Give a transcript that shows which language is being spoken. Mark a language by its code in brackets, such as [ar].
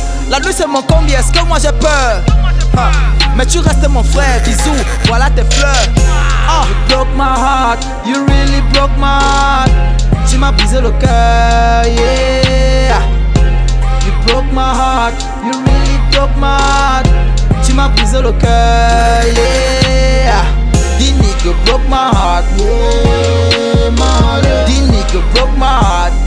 [fr] La nuit c'est mon combi, est-ce que moi j'ai peur? Mais tu restes mon frère, bisous, voilà tes fleurs. [en] You broke my heart, you really broke my heart. [fr] Tu m'as brisé le cœur, yeah. [en] You broke my heart, you really broke my heart. [fr] Tu m'as brisé le cœur, yeah. [en] The nigga broke my heart, yeah, my love. The nigga broke my heart.